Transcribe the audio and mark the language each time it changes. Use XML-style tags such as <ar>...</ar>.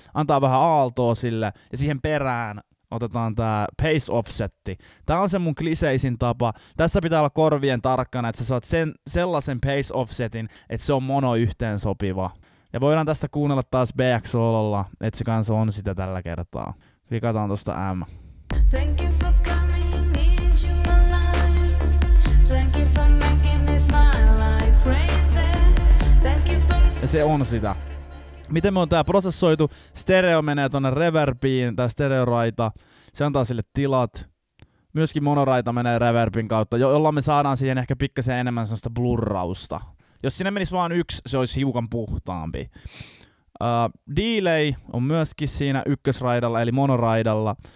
<fi>Antaa vähän aaltoa sille ja siihen perään otetaan tää pace offsetti. Tää on se mun kliseisin tapa. Tässä pitää olla korvien tarkkana, että sä saat sen, sellaisen pace offsetin, että se on mono yhteen sopiva. Ja voidaan tästä kuunnella taas BX-ololla, että se kanssa on sitä tällä kertaa. Rikataan tosta M.</fi> <en>Thank you for coming into my life. Thank you for making me smile like crazy. Thank you for...</en> <fi>Ja se on sitä. Miten me on tää prosessoitu? Stereo menee tonne reverbiin, tää stereoraita. Se antaa sille tilat. Myöskin monoraita menee reverbin kautta, jolla me saadaan siihen ehkä pikkasen enemmän sellaista blurrausta. Jos sinne menisi vaan yksi, se olisi hiukan puhtaampi. Delay on myöskin siinä ykkösraidalla, eli monoraidalla.</fi>